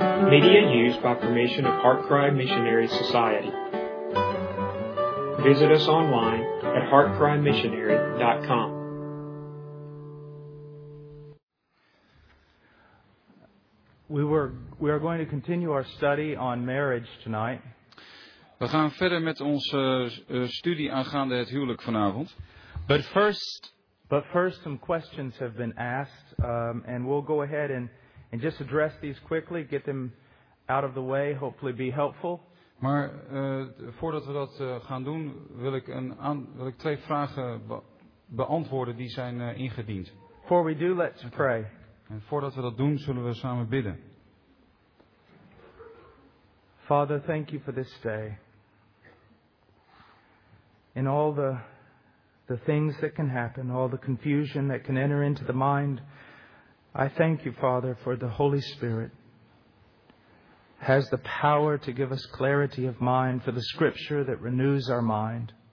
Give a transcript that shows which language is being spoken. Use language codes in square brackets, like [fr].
[en] Media used by permission of Heartcry Missionary Society. Visit us online at heartcrymissionary.com. We are going to continue our study on marriage tonight. [nl] We gaan verder met onze studie aangaande het huwelijk vanavond. [en] But first some questions have been asked and we'll go ahead and just address these quickly, get them out of the way, hopefully be helpful. [nl] Maar voordat we dat gaan doen, wil ik twee vragen beantwoorden die zijn ingediend. [en] Before we do, let's pray. [nl] En voordat we dat doen, zullen we samen bidden. [en] Father, thank you for this day. In all the things that can happen, all the confusion that can enter into the mind, I thank you, Father, for the Holy Spirit has the power to give us clarity of mind, for the scripture that renews our mind.